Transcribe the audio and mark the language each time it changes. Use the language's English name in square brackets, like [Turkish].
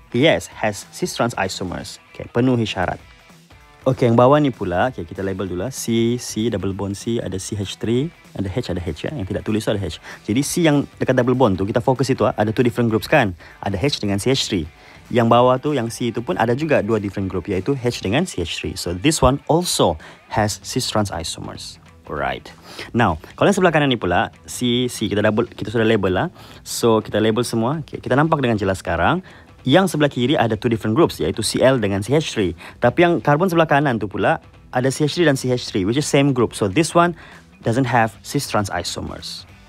[English] Yes, has cis-trans isomers. [Malay] Okay, penuhi syarat. Okay, yang bawah ni pula, okay, kita label dulu lah. C, C, double bond C, ada CH3, ada H, ya. Yang tidak tulis tu ada H. Jadi C yang dekat double bond tu, kita fokus itu lah, ada [English] two different groups [Malay] kan? Ada H dengan CH3. Yang bawah tu, yang C itu pun ada juga dua [English] different group, [Malay] yaitu H dengan CH3. [English] So this one also has cis-trans isomers. Right. [Malay] Now, kalau yang sebelah kanan ni pula, C, C, kita sudah label lah. So kita label semua, okay, kita nampak dengan jelas sekarang. Yang sebelah kiri ada [English] two different groups, [Malay] yaitu Cl dengan CH3. Tapi yang karbon sebelah kanan tu pula, ada CH3 dan CH3, [English] which is same group. So this one doesn't have cis-trans isomers.